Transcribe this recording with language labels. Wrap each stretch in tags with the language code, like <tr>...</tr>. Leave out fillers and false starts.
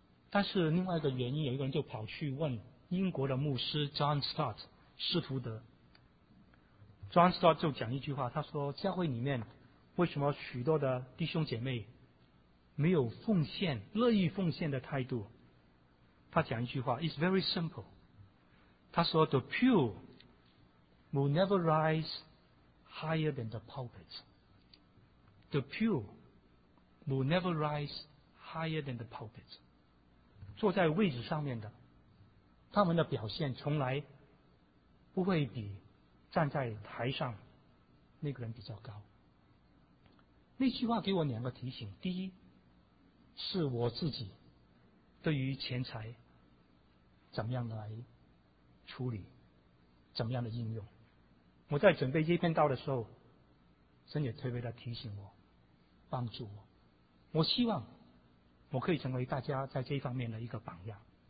<zh>但是另外一个原因，有一个人就跑去问英国的牧师 John Stott 施徒德。 John Stott 就讲一句话，他说教会里面为什么许多的弟兄姐妹没有奉献，乐意奉献的态度。他讲一句话</zh> <en>It's very simple，</en> <zh>他说</zh> <en>The pew will never rise higher than the pulpit， The pew will never rise higher than the pulpit，</en> <zh>坐在位置上面的他们的表现从来不会比站在台上那个人比较高。那句话给我两个提醒，第一是我自己对于钱财怎么样来处理，怎么样的应用。我在准备这篇道的时候，神也特别的提醒我，帮助我，我希望我可以成为大家在这方面的一个榜样。</zh>